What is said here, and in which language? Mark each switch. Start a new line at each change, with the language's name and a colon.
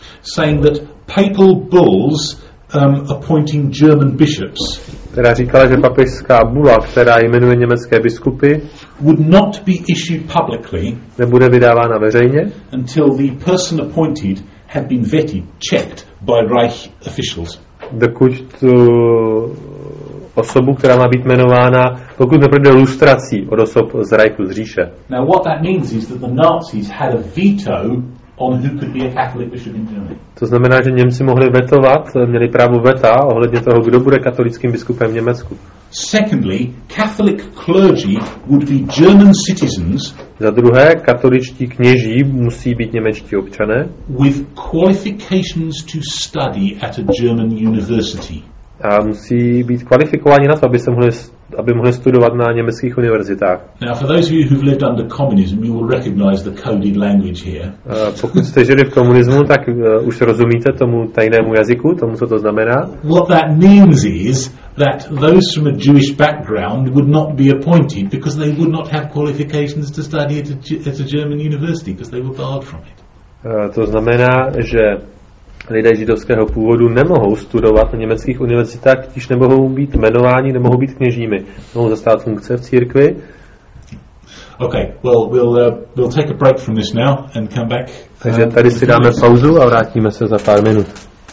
English: Saying that papal bulls appointing German bishops.
Czech: Která říkala, že papežská bula, která jmenuje německé biskupy,
English: would not be issued publicly.
Czech: Nebude vydávána veřejně.
English: Until the person appointed had been vetted, checked by Reich officials.
Czech: Dokud tu osobu, která má být jmenována, pokud neprojde lustrací od osob z Reichu, z říše.
English: Now what that means is that the Nazis had a veto on who could be a Catholic bishop in Germany.
Czech: To znamená, že Němci mohli vetovat, měli právo veta ohledně toho, kdo bude katolickým biskupem v Německu.
English: Secondly, Catholic clergy would be German citizens.
Czech: Za druhé, katoličtí kněží musí být němečtí občané.
English: With qualifications to study at a German university.
Czech: A musí být kvalifikováni na to, aby mohli studovat na německých univerzitách.
English: Now for those of you who've lived under communism, you will recognize the coded language here.
Czech: Pokud jste žili v komunismu, tak už rozumíte tomu tajnému jazyku, tomu, co to znamená.
English: What that means is that those from a Jewish background would not be appointed because they would not have qualifications to study at a German university because they were barred from it.
Czech: To znamená, že lidé židovského původu nemohou studovat na německých univerzitách, když nemohou být jmenováni, nemohou být kněžími. Mohou zastávat funkce v církvi.
English: Okay, well, we'll take a break from this now and come back.
Czech: Takže tady si dáme pauzu a vrátíme se za pár minut.